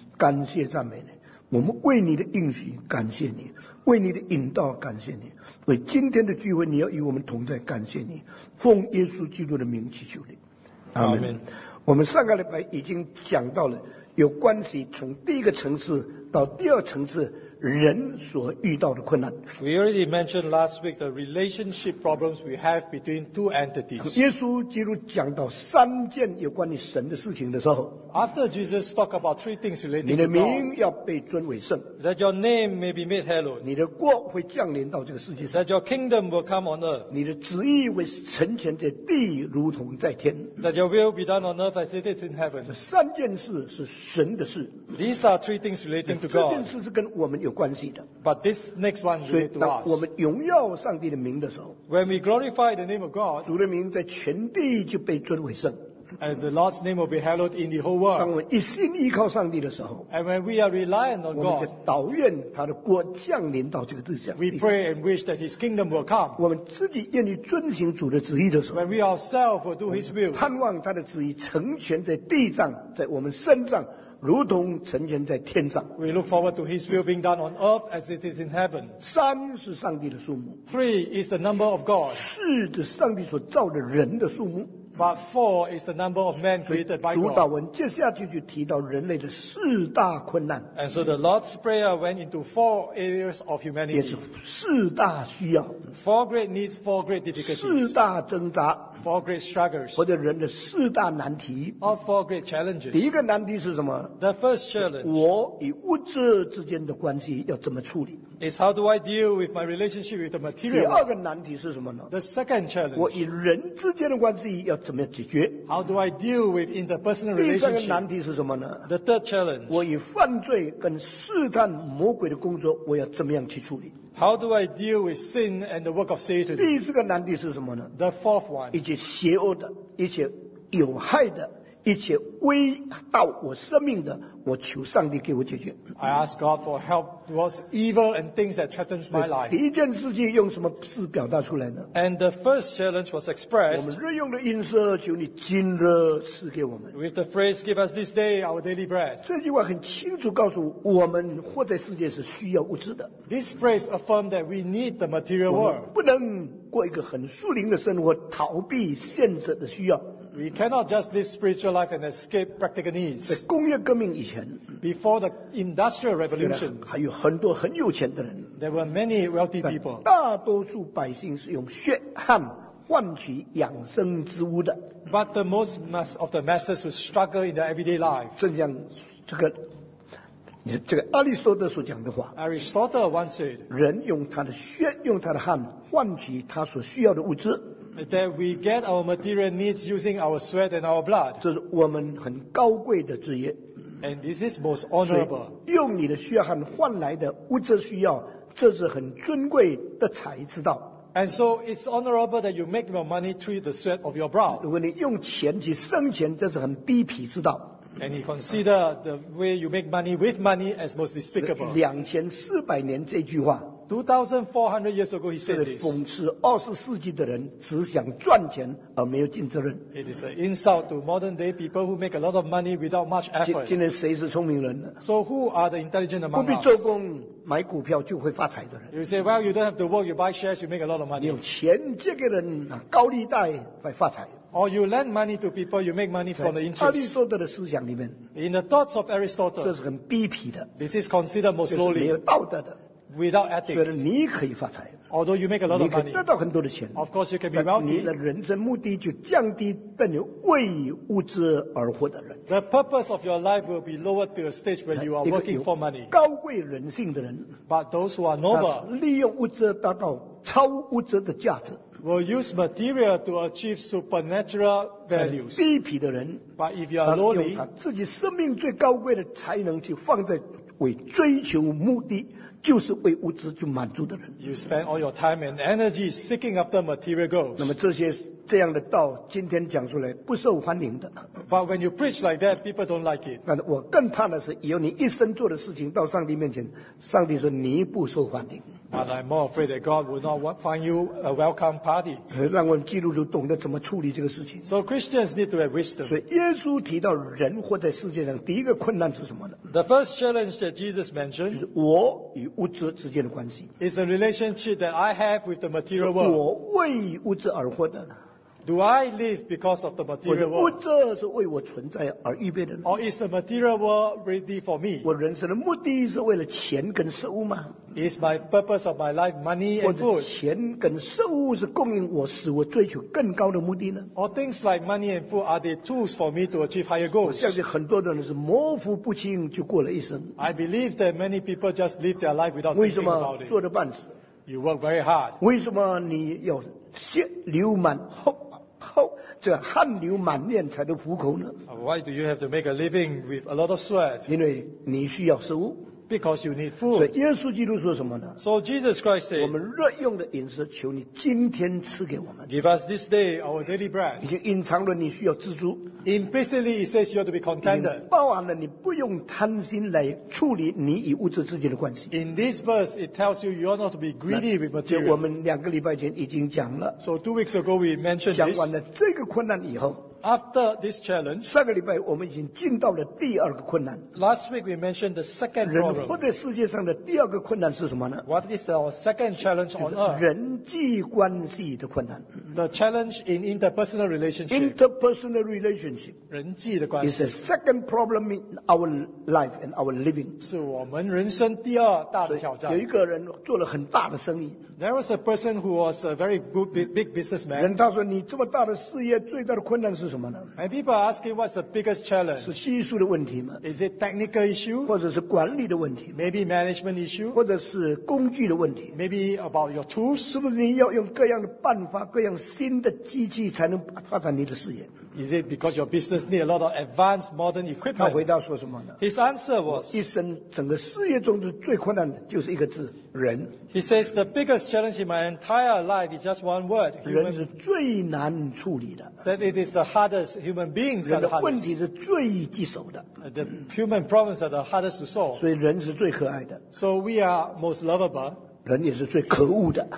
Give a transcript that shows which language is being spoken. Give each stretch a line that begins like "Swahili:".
Chinese: 感谢赞美你，我们为你的应许感谢你，为你的引导感谢你，为今天的聚会你要与我们同在感谢你，奉耶稣基督的名祈求你，阿们。我们上个礼拜已经讲到了有关系从第一个层次到第二层次人所遇到的困难。
English: We already mentioned last week the relationship problems we have between two entities.
Chinese: 耶稣基督讲到三件有关于神的事情的时候，
English: After Jesus talked about three things related to God,
Chinese: 你的名要被尊为圣，
English: That your name may be made hallowed,
Chinese: 你的国会降临到这个世界上，
English: That your kingdom will come on earth,
Chinese: 你的旨意会成全在地如同在天，
English: That your will be done on earth as it is in heaven.
Chinese: 这三件事是神的事，
English: These are three things related to God.
Chinese: 这件事是跟我们有关系的。
English: But this next one,
Chinese: 所以当我们荣耀上帝的名的时候，
English: When we glorify the name of God,
Chinese: 主的名在全地就被尊为圣。
English: And the Lord's name will be hallowed in the whole world.
Chinese: 当我们一心依靠上帝的时候，
English: And when we are reliant on God,
Chinese: 我们就祷愿他的国降临到这个地上。
English: We pray and wish that His kingdom will come.
Chinese: 我们自己愿意遵行主的旨意的时候，
English: When we ourselves will do His will,
Chinese: 盼望他的旨意成全在地上，在我们身上，如同成全在天上。
English: We look forward to His will being done on earth as it is in heaven.
Chinese: 三是上帝的数目。
English: Three is the number of God.
Chinese: 四是上帝所造的人的数目。
English: But four is the number of men created by God.
Chinese: 主祷文接下去就提到人类的四大困难。
English: And so the Lord's prayer went into four areas of humanity.
Chinese: 也是四大需要。
English: Four great needs, four great difficulties.
Chinese: 四大挣扎。
English: Four great struggles.
Chinese: 或者人的四大难题。
English: Or four great challenges.
Chinese: 第一个难题是什么？
English: The first challenge.
Chinese: 我与物质之间的关系要怎么处理？
English: Is how do I deal with my relationship with the material?
Chinese: 第二个难题是什么呢？
English: The second challenge.
Chinese: 我与人之间的关系要怎么解决？
English: How do I deal with interpersonal relationship?
Chinese: 第三个难题是什么呢？
English: The third challenge.
Chinese: 我与犯罪跟试探魔鬼的工作，我要怎么样去处理？
English: How do I deal with sin and the work of Satan?
Chinese: 第四个难题是什么呢？
English: The fourth one.
Chinese: 以及邪恶的，一切有害的，一切危到我生命的，我求上帝给我解决。
English: I ask God for help towards evil and things that threatens my life.
Chinese: 第一件事情用什么事表达出来呢？
English: And the first challenge was expressed.
Chinese: 我们日用的饮食，求你今日赐给我们。
English: With the phrase, give us this day our daily bread.
Chinese: 这句话很清楚告诉我们，活在世界是需要物质的。
English: This phrase affirmed that we need the material world.
Chinese: 不能过一个很属灵的生活，逃避现实的需要。
English: We cannot just live spiritual life and escape practical needs.
Chinese: 在工业革命以前，
English: before the industrial revolution,
Chinese: 还有很多很有钱的人，
English: there were many wealthy people.
Chinese: 大多数百姓是用血汗换取养生之物的。
English: But the most mass of the masses would struggle in their everyday life.
Chinese: 正像这个阿里斯托德所讲的话，
English: Aristotle once said,
Chinese: 人用他的血，用他的汗换取他所需要的物质。
English: that we get our material needs using our sweat and our blood.
Chinese: 这是我们很高贵的职业。
English: And this is most honorable.
Chinese: 所以用你的血汗换来的物质需要，这是很尊贵的财之道。
English: And so it's honorable that you make your money through the sweat of your brow.
Chinese: 如果你用钱去生钱，这是很低皮之道。
English: And he considered the way you make money with money as most despicable.
Chinese: 2400年这句话。
English: 2400 years ago, he said this.
Chinese: 讽刺二十世纪的人只想赚钱而没有尽责任。
English: It is an insult to modern day people who make a lot of money without much effort.
Chinese: 今天谁是聪明人呢？
English: So who are the intelligent among us?
Chinese: 不必做工买股票就会发财的人。
English: You say, well, you don't have to work, you buy shares, you make a lot of money.
Chinese: 你有钱借给人高利贷会发财。
English: Or you lend money to people, you make money from the interest.
Chinese: 阿里士多德的思想里面。
English: In the thoughts of Aristotle.
Chinese: 这是很卑鄙的。
English: This is considered most lowly.
Chinese: 没有道德的。
English: Without ethics.
Chinese: 觉得你可以发财。
English: Although you make a lot of money.
Chinese: 你可以得到很多的钱。
English: Of course you can be wealthy.
Chinese: 你的人生目的就降低到你为物质而活的人。
English: The purpose of your life will be lowered to a stage where you are working for money.
Chinese: 高贵人性的人。
English: But those who are noble.
Chinese: 利用物质达到超物质的价值。
English: Will use material to achieve supernatural values.
Chinese: 低皮的人，
English: but if you are lowly,
Chinese: 他用他自己生命最高贵的才能去放在为追求目的，就是为物质去满足的人。
English: You spend all your time and energy seeking after material goals.
Chinese: 那么这些这样的道，今天讲出来不受欢迎的。
English: But when you preach like that, people don't like it.
Chinese: 那我更怕的是，以后你一生做的事情到上帝面前，上帝说你不受欢迎。
English: But I'm more afraid that God will not find you a welcome party.
Chinese: 让我们基督徒懂得怎么处理这个事情。
English: So Christians need to have wisdom.
Chinese: 所以耶稣提到人活在世界上第一个困难是什么呢？
English: The first challenge that Jesus mentioned
Chinese: 是我与物质之间的关系。
English: Is the relationship that I have with the material world.
Chinese: 是我为物质而活的。
English: Do I live because of the material world?
Chinese: 我的物质是为我存在而预备的。
English: Or is the material world ready for me?
Chinese: 我人生的目的是为了钱跟食物吗？
English: Is my purpose of my life money and food?
Chinese: 我的钱跟食物是供应我使我追求更高的目的呢？
English: Or things like money and food are they tools for me to achieve higher goals?
Chinese: 我相信很多人是模糊不清就过了一生。
English: I believe that many people just live their life without thinking about it.
Chinese: 为什么做得半死？
English: You work very hard.
Chinese: 为什么你要血流满后这汗流满面才能糊口呢？
English: Why do you have to make a living with a lot of sweat?
Chinese: 因为你需要食物。
English: Because you need food.
Chinese: 所以耶稣基督说什么呢？
English: So Jesus Christ said,
Chinese: 我们日用的饮食求你今天赐给我们。
English: Give us this day our daily bread.
Chinese: 已经隐藏了你需要知足。
English: Implicitly it says you have to be contented.
Chinese: 包含了你不用贪心来处理你与物质之间的关系。
English: In this verse it tells you you are not to be greedy with material.
Chinese: 我们两个礼拜前已经讲了。
English: So 2 weeks ago we mentioned this.
Chinese: 讲完了这个困难以后，
English: After this challenge,
Chinese: 上个礼拜我们已经进到了第二个困难。
English: Last week we mentioned the second problem.
Chinese: 人活在世界上的第二个困难是什么呢？
English: What is our second challenge on earth?
Chinese: 人际关系的困难。
English: The challenge in interpersonal relationship. Interpersonal relationship.
Chinese: 人际的关系。
English: Is the second problem in our life and our living.
Chinese: 是我们人生第二大的挑战。有一个人做了很大的生意。
English: There was a person who was a very good big businessman.
Chinese: 人他说你这么大的事业最大的困难是什么呢？
English: And people are asking what's the biggest challenge?
Chinese: 是技术的问题吗？
English: Is it technical issue?
Chinese: 或者是管理的问题？
English: Maybe management issue?
Chinese: 或者是工具的问题？
English: Maybe about your tools?
Chinese: 是不是你要用各样的办法，各样新的机器才能发展你的事业？
English: Is it because your business need a lot of advanced modern equipment?
Chinese: 他回答说什么呢？
English: His answer was,
Chinese: 一生整个事业中最困难的就是一个字，人。
English: He says the biggest challenge in my entire life is just one word. Human,
Chinese: 人是最难处理的。
English: That it is the hardest. Human beings are the hardest.
Chinese: 人的问题是最棘手的。
English: The human problems are the hardest to solve.
Chinese: 所以人是最可爱的。
English: So we are most lovable.
Chinese: 人也是最可恶的。